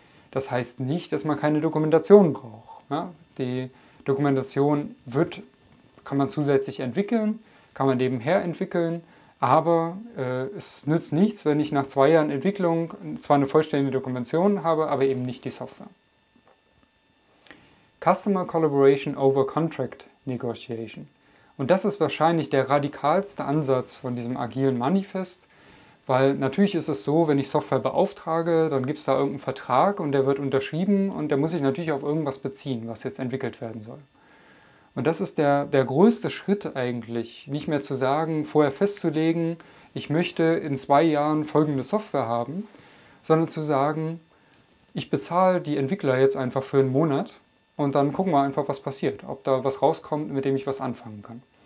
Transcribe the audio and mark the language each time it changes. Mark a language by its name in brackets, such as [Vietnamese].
[German] Das heißt nicht, dass man keine Dokumentation braucht. Ja, die Dokumentation kann man zusätzlich entwickeln, kann man nebenher entwickeln, aber es nützt nichts, wenn ich nach 2 Jahren Entwicklung zwar eine vollständige Dokumentation habe, aber eben nicht die Software. [English] Customer Collaboration over Contract Negotiation. [German] Und das ist wahrscheinlich der radikalste Ansatz von diesem agilen Manifest, weil natürlich ist es so, wenn ich Software beauftrage, dann gibt es da irgendeinen Vertrag und der wird unterschrieben und der muss sich natürlich auf irgendwas beziehen, was jetzt entwickelt werden soll. Und das ist der größte Schritt eigentlich, nicht mehr zu sagen, vorher festzulegen, ich möchte in 2 Jahren folgende Software haben, sondern zu sagen, ich bezahle die Entwickler jetzt einfach für einen Monat und dann gucken wir einfach, was passiert, ob da was rauskommt, mit dem ich was anfangen kann.